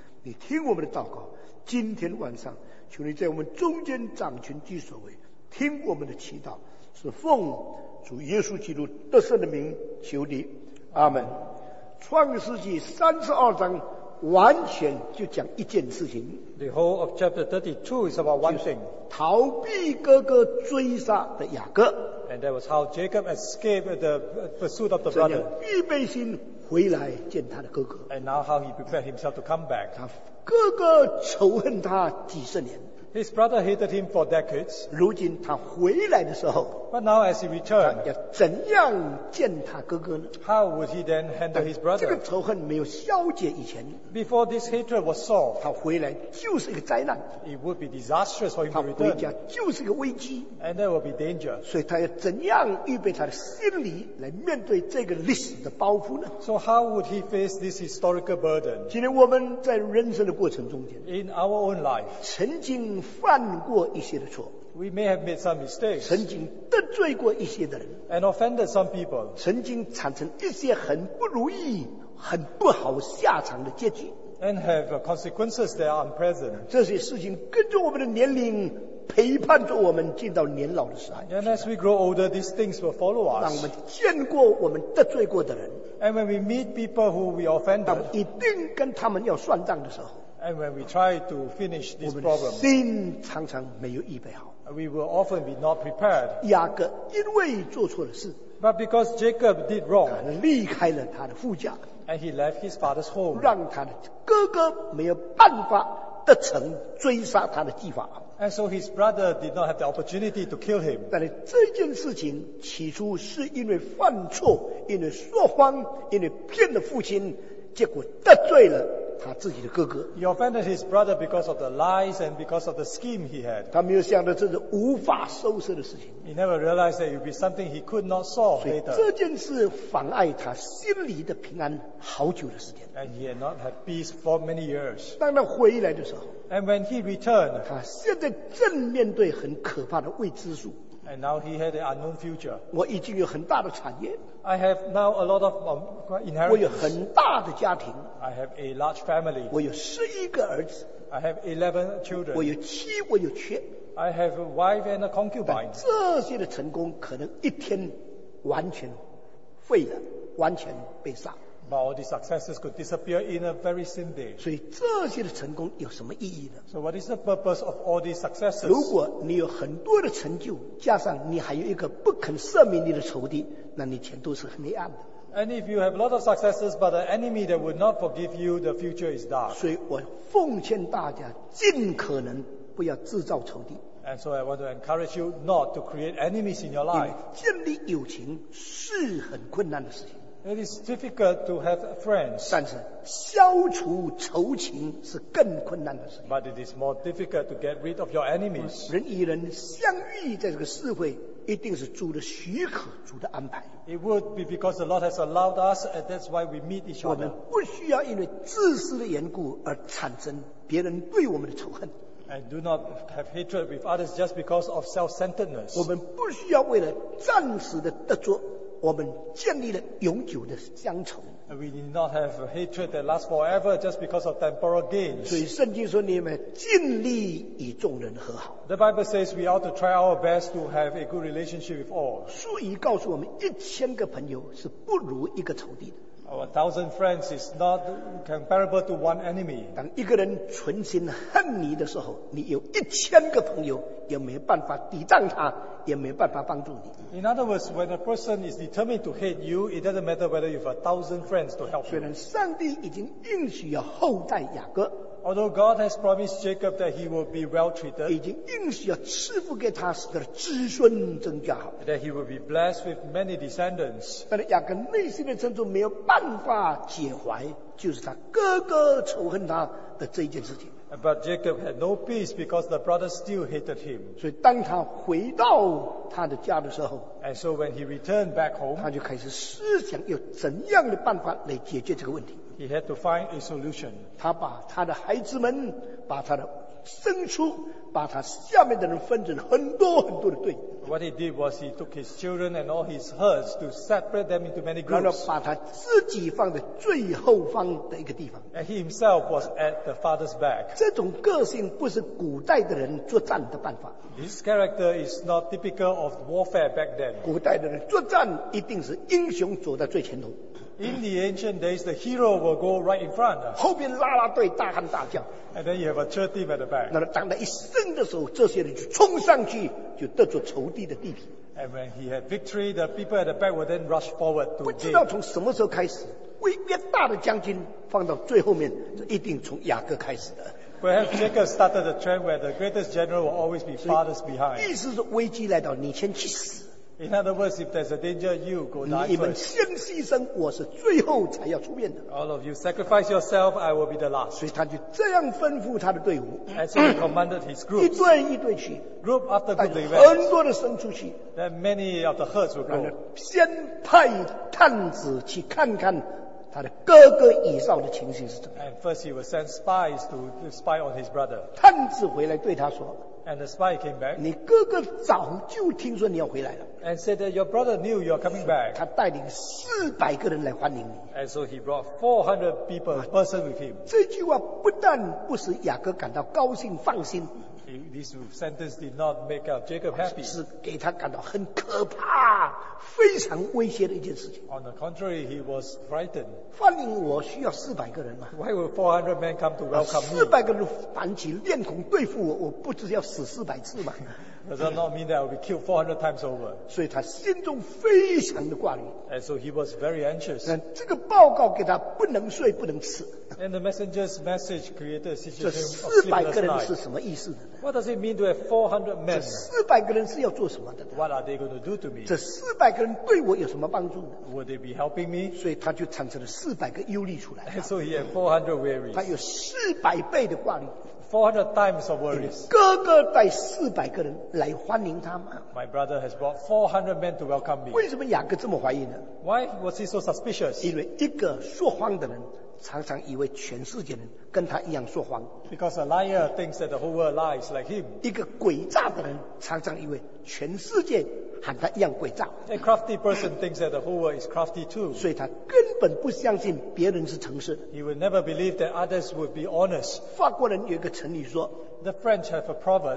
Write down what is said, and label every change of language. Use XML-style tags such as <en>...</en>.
<zh>你听我们的祷告，今天晚上求你在我们中间掌权居所为，听我们的祈祷，是奉主耶稣基督得胜的名求你，阿门。创世纪32章完全就讲一件事情。</zh> <en>The whole of chapter 32 is about one thing.</en> <zh>逃避哥哥追杀的雅各。</zh> <en>And that was how Jacob escaped the pursuit of the brother.</en> <zh>怎样预备心回来见他的哥哥。</zh> <en>And now how he prepared himself to come back.</en> <zh>他哥哥仇恨他几十年。</zh> <en>His brother hated him for decades.</en> <zh>如今他回来的时候。</zh> <en>But now as he returned.</en> <zh>他要怎样见他哥哥呢？</zh> <en>How would he then handle his brother?</en> <zh>这个仇恨没有消解以前。</zh> <en>Before this hatred was solved.</en> <zh>他回来就是一个灾难。</zh> <en>It would be disastrous for him to return.</en> <zh>他回家就是一个危机。</zh> <en>And there will be danger.</en> <zh>所以他要怎样预备他的心理来面对这个历史的包袱呢？</zh> <en>So how would he face this historical burden?</en> <zh>今天我们在人生的过程中间。</zh> <en>In our own life.</en> <zh>曾经犯过一些的错。</zh> <en>We may have made some mistakes.</en> <zh>曾经得罪过一些的人。</zh> <en>And offended some people.</en> <zh>曾经产生一些很不如意、很不好下场的结局。</zh> <en>And have consequences that are unpleasant.</en> <zh>这些事情跟着我们的年龄陪伴着我们进到年老的时候。</zh> <en>And as we grow older, these things will follow us.</en> <zh>让我们见过我们得罪过的人。</zh> <en>And when we meet people who we offended.</en> <zh>当一定跟他们要算账的时候。</zh> <en>And when we try to finish this problem,</en> <zh>心常常没有预备好。</zh> <en>We will often be not prepared.</en> <zh>雅各因为做错了事。</zh> <en>But because Jacob did wrong,</en> <zh>他离开了他的父家。</zh> <en>And he left his father's home.</en> <zh>让他的哥哥没有办法得逞追杀他的计划。</zh> <en>And so his brother did not have the opportunity to kill him.</en> <zh>但是这件事情起初是因为犯错，因为说谎，因为骗了父亲，结果得罪了他自己的哥哥。</zh> <en>He offended his brother because of the lies and because of the scheme he had.</en> <zh>他没有想到这是无法收拾的事情。</zh> <en>He never realized that it would be something he could not solve later.</en> <zh>所以这件事妨碍他心里的平安好久的时间。</zh> <en>And he had not had peace for many years.</en> <zh>当他回来的时候。</zh> <en>And when he returned.</en> <zh>他现在正面对很可怕的未知数。</zh> <en>And now he had an unknown future.</en> <zh>我已经有很大的产业。</zh> <en>I have now a lot of inheritance.</en> <zh>我有很大的家庭。</zh> <en>I have a large family.</en> <zh>我有11个儿子。</zh> <en>I have 11 children.</en> <zh>我有妻，我有妾。</zh> <en>I have a wife and a concubine.</en> <zh>但这些的成功可能一天完全废了，完全被杀。</zh> <en>But all these successes could disappear in a very same day.</en> <zh>所以这些的成功有什么意义呢？</zh> <en>So what is the purpose of all these successes?</en> <zh>如果你有很多的成就，加上你还有一个不肯赦免你的仇敌，那你前途是很黑暗的。</zh> <en>And if you have a lot of successes, but an enemy that would not forgive you, the future is dark.</en> <zh>所以我奉劝大家，尽可能不要制造仇敌。</zh> <en>And so I want to encourage you not to create enemies in your life.</en> <zh>建立友情是很困难的事情。</zh> <en>It is difficult to have friends.</en> <zh>但是消除仇情是更困难的事情。</zh> <en>But it is more difficult to get rid of your enemies.</en> <zh>人与人相遇在这个社会，一定是主的许可，主的安排。</zh> <en>It would be because the Lord has allowed us, and that's why we meet each other.</en> <zh>我们不需要因为自私的缘故而产生别人对我们的仇恨。</zh> <en>And do not have hatred with others just because of self-centeredness.</en> <zh>我们不需要为了暂时的得着。我们建立了永久的乡愁。</zh> <en>We need not have hatred that lasts forever just because of temporal gains.</en> <zh>所以圣经说你们尽力与众人和好。</zh> <en>The Bible says we ought to try our best to have a good relationship with all.</en> <zh>书已告诉我们1000个朋友是不如一个仇敌的。</zh> <en>Our 1000 friends is not comparable to one enemy.</en> <zh>当一个人存心恨你的时候，你有1000个朋友也没办法抵挡他，也没办法帮助你。</zh> <en>In other words, when a person is determined to hate you, it doesn't matter whether you have 1000 friends to help you.</en> <zh>虽然上帝已经应许要厚待雅各。</zh> <en>Although God has promised Jacob that he will be well treated,</en> <zh>已经应许要赐福给他，使他的子孙增加。</zh> <en>That he will be blessed with many descendants.</en> <zh>但是雅各内心的深处没有办法解怀，就是他哥哥仇恨他的这件事情。</zh> <en>But Jacob had no peace because the brothers still hated him.</en> <zh>所以当他回到他的家的时候，</zh> <en>and so when he returned back home,</en> <zh>他就开始思想有怎样的办法来解决这个问题。</zh> <en>He had to find a solution.</en> <zh>他把他的孩子们，把他的牲畜，把他下面的人分成很多很多的队。</zh> <en>What he did was he took his children and all his herds to separate them into many groups.</en> <zh>然后把他自己放在最后方的一个地方。</zh> <en>And he himself was at the father's back.</en> <zh>这种个性不是古代的人作战的办法。</zh> <en>This character is not typical of warfare back then.</en> <zh>古代的人作战一定是英雄走在最前头。</zh> <en>In the ancient days, the hero will go right in front.</en> <zh>后边拉拉队大喊大叫。</zh> <en>And then you have a cheer team at the back.</en> <zh>那当他一生的时候，这些人就冲上去，就得着仇敌的地皮。</zh> <en>And when he had victory, the people at the back would then rush forward to</en> <zh>不知道从什么时候开始，威越大的将军放到最后面，这一定从雅各开始的。</zh> <en>Perhaps Jacob started the trend where the greatest general will always be farthest behind.</en> <zh>意思是危机来到，你先去死。</zh> <en>In other words, if there's a danger, you go die first.</en> <zh>你们先牺牲，我是最后才要出面的。</zh> <en>All of you sacrifice yourself, I will be the last.</en> <zh>所以他就这样吩咐他的队伍。</zh> <en>And so he commanded his group.</en> <zh>一队一队去。</zh> <en>Group after group.</en> <zh>带很多的牲畜去。</zh> <en>Then many of the herds will go.</en> <zh>先派探子去看看他的哥哥以扫的情形是怎么样。</zh> <en>And first he will send spies to spy on his brother.</en> <zh>探子回来对他说。</zh> <en>And the spy came back.</en> <zh>你哥哥早就听说你要回来了。</zh> <en>And said that your brother knew you are coming back.</en> <zh>他带领四百个人来欢迎你。</zh> <en>And so he brought 400 people, person with him.</en> <zh>这句话不但不使雅各感到高兴放心。</zh> <en>This sentence did not make Jacob happy.</en> <zh>是给他感到很可怕，非常威胁的一件事情。</zh> <en>On the contrary, he was frightened.</en> <zh>欢迎我需要四百个人吗？</zh> <en>Why would 400 men come to welcome me?</en> <zh>四百个人反起面孔对付我，我不只要死四百次吗？</zh> <en>Does that not mean that I'll be killed 400 times over?</en> <zh>所以他心中非常的挂虑。</zh> <en>And so he was very anxious.</en> <zh>这个报告给他不能睡不能吃。</zh> <en>And the messenger's message created a situation of sleepless night.</en> <zh>这四百个人是什么意思呢？</zh> <en>What does it mean to have 400 men?</en> <zh>这四百个人是要做什么的呢？</zh> <en>What are they going to do to me?</en> <zh>这四百个人对我有什么帮助呢？</zh> <en>Would they be helping me?</en> <zh>所以他就产生了四百个忧虑出来。</zh> <en>And so he had 400 worries.</en> <zh>他有四百倍的挂虑。</zh> <en>400 times of worries.</en> <zh>哥哥带四百个人来欢迎他吗？</zh> <en>My brother has brought 400 men to welcome me.</en> <zh>为什么雅各这么怀疑呢？</zh> <en>Why was he so suspicious?</en> <zh>因为一个说谎的人常常以为全世界人跟他一样说谎。</zh> <en>Because a liar thinks that the whole world lies like him.</en> <zh>一个诡诈的人常常以为全世界喊他一样诡诈。</zh> <en>A crafty person thinks that the whole world is crafty too.</en> <zh>所以他根本不相信别人是诚实。</zh> <en>He would never believe that others would be honest.</en> <zh>法国人有一个成语说，</zh> <en>The French have a proverb.</en>